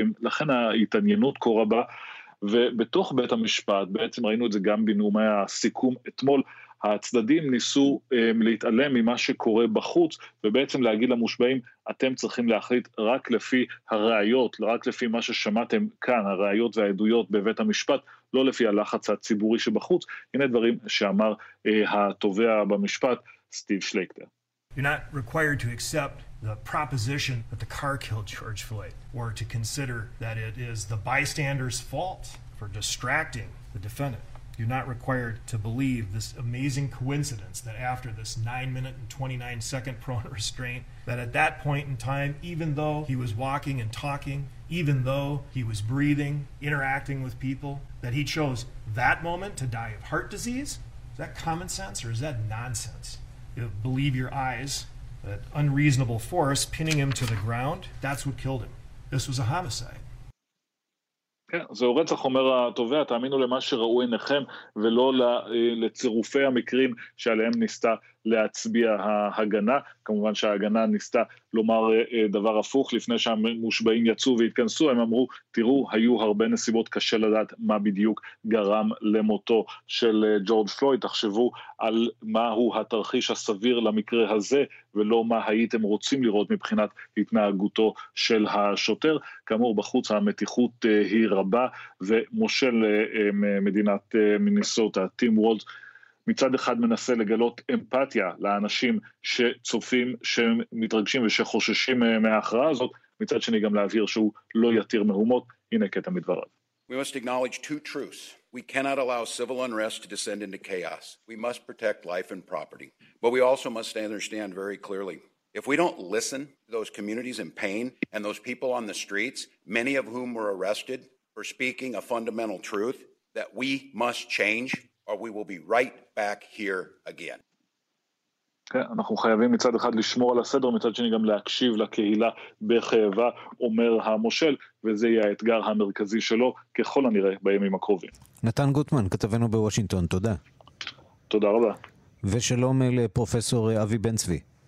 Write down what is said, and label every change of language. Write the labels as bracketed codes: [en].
[he] לכן ההתעניינות כה רבה, ובתוך בית המשפט, בעצם ראינו את זה גם בנאומי הסיכום אתמול, הצדדים ניסו להתעלם ממה שקורה בחוץ, ובעצם להגיד למושבעים, אתם צריכים להחליט רק לפי הראיות, רק לפי מה ששמעתם כאן, הראיות והעדויות בבית המשפט, לא לפי הלחץ הציבורי שבחוץ. הנה דברים שאמר התובע במשפט, סטיב שלקטר. [en] You're not required to accept the proposition that the car killed George Floyd, or to consider that it is the bystander's fault for distracting the defendant. You're not required to believe this amazing coincidence that after this 9-minute and 29-second prone restraint, that at that point in time, even though he was walking and talking, even though he was breathing, interacting with people, that he chose that moment to die of heart disease? Is that common sense or is that nonsense? You believe your eyes, that unreasonable force pinning him to the ground, that's what killed him. This was a homicide. [he] כן, זהו רצח, אומר התובע, תאמינו למה שראו עיניכם ולא לצירופי המקרים שעליהם ניסתה להצביע ההגנה. כמובן שההגנה ניסתה לומר דבר הפוך לפני שהמושבעים יצאו והתכנסו, הם אמרו, תראו, היו הרבה נסיבות, קשה לדעת מה בדיוק גרם למותו של ג'ורג' פלויד, תחשבו על מהו התרחיש הסביר למקרה הזה ולא מה הייתם רוצים לראות מבחינת התנהגותו של השוטר. כאמור, בחוץ המתיחות היא רבה, ומושל מדינת מיניסוטה, טים וולדס, מצד אחד מנסה לגלות אמפתיה לאנשים שצופים, שמתרגשים ושחוששים מההכרעה הזאת, מצד שני גם להבהיר שהוא לא יתיר מהומות. הנה קטע מדבריו. [en] We must acknowledge two truths. We cannot allow civil unrest to descend into chaos. We must protect life and property. But we also must understand very clearly If we don't listen to those communities in pain and those people on the streets, many of whom were arrested for speaking a fundamental truth that we must change, or we will be right back here again. [he] אנחנו חייבים מצד אחד לשמור על הסדר, מצד שני גם להקשיב לקהילה בכאבה, אומר המושל, וזה יהיה האתגר המרכזי שלו, ככל הנראה, בימים הקרובים. נתן גוטמן, כתבנו בוושינגטון, תודה. תודה רבה. ושלום לפרופסור אבי בן צבי.